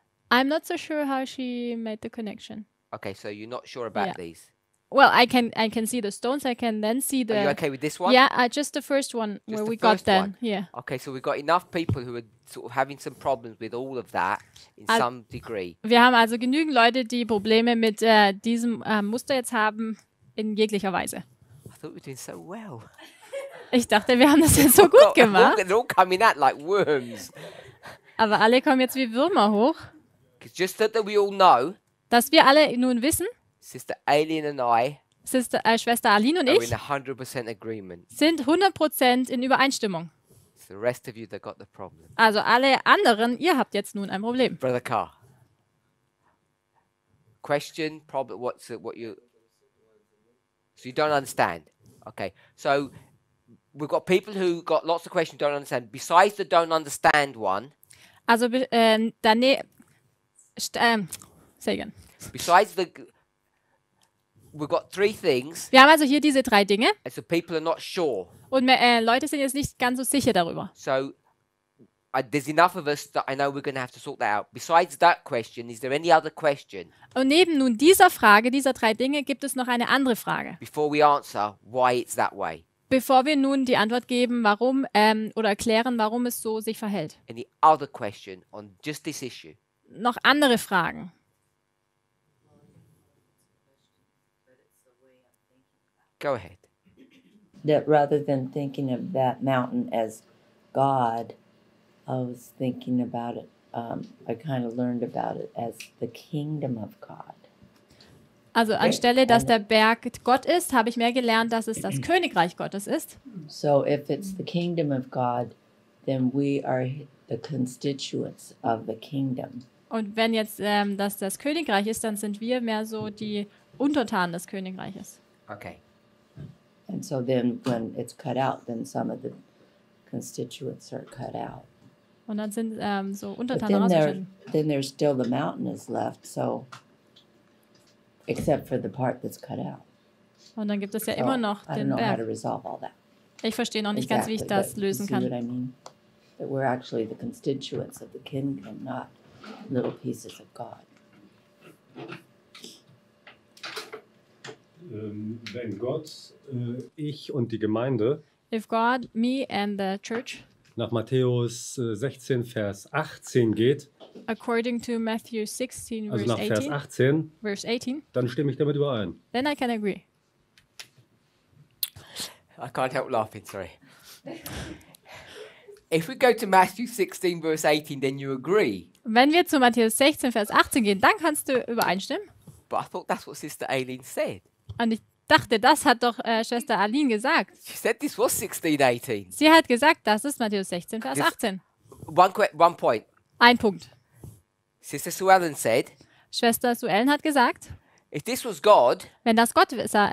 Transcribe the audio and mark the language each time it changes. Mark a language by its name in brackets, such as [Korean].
[English] I'm not so sure how she made the connection. Okay, so you're not sure about these. Well, I can see the stones. I can then see the. Are you okay with this one? Yeah, just the first one just where the we first got then. One. Yeah. Okay, so we've got enough people who are sort of having some problems with all of that in some degree. [German] Wir haben also genügend Leute, die Probleme mit diesem Muster jetzt haben in jeglicher Weise. [English] I thought we're doing so well. [German] Ich dachte, wir haben das jetzt so gut gemacht. [English] They're all coming out like worms. [German] Aber alle kommen jetzt wie Würmer hoch. [English] Just that we all know. [German] Dass wir alle nun wissen. [English] Sister Aileen and I. [German] Sister, Schwester Aline und ich sind 100% in Übereinstimmung. [English] It's the rest of you that got the problem. [German] Also alle anderen, ihr habt jetzt nun ein Problem. [English] Brother Carr. Question, problem, what's it, what you... So you don't understand. Okay, so we've got people who got lots of questions, don't understand. Besides the don't understand one... Also, say again. Besides the... We've got three things. [German] Wir haben also hier diese drei Dinge. [English] And so people are not sure. [German] Und Leute sind jetzt nicht ganz so sicher darüber. [English] So... there's enough of us that I know we're going to have to sort that out. Besides that question, is there any other question? [German] Und neben nun dieser Frage, dieser drei Dinge, gibt es noch eine andere Frage. [English] Before we answer why it's that way. [German] Bevor wir nun die Antwort geben, warum oder erklären, warum es so sich verhält. [English] Any other question on just this issue? [German] Noch andere Fragen? [English] Go ahead. That rather than thinking of that mountain as God, I was thinking about it, I kind of learned about it as the kingdom of God. [German] Also anstelle, dass der Berg Gott ist, habe ich mehr gelernt, dass es das Königreich Gottes ist. [English] So if it's the kingdom of God, then we are the constituents of the kingdom. [German] Und wenn jetzt das das Königreich ist, dann sind wir mehr so die Untertanen des Königreiches. [English] Okay. And so then when it's cut out, then some of the constituents are cut out. [German] Und dann sind so Untertanen rausgeschnitten. [English] Then there's still the mountain is left, so except for the part that's cut out. [German] Und dann gibt es ja immer noch den [English] Berg. I don't know how to resolve all that. [German] Ich verstehe noch nicht ganz, wie ich das lösen kann. [English] See what I mean? That we're actually the constituents of the kingdom, not little pieces of God. [German] Wenn Gott, ich und die Gemeinde. [English] If God, me and the church. [German] Nach Matthäus 16, Vers 18 geht. [English] According to Matthew 16, [German] also [English] verse [German] nach Vers 18, [English] verse 18. [German] Dann stimme ich damit überein. [English] Then I can agree. I can't help laughing, sorry. If we go to Matthew 16, verse 18, then you agree. [German] Wenn wir zu Matthäus 16, Vers 18 gehen, dann kannst du übereinstimmen. [English] But I thought that's what Sister Aileen said. [German] Und ich dachte, das hat doch Schwester Aline gesagt. [English] She said this was 16, 18. [German] Sie hat gesagt, das ist Matthäus 16, Vers 18. [English] One point. [German] Ein Punkt. [English] Sister Sue Ellen said, [German] Schwester Sue Ellen hat gesagt, [English] if this was God, [German] wenn das Gott ist,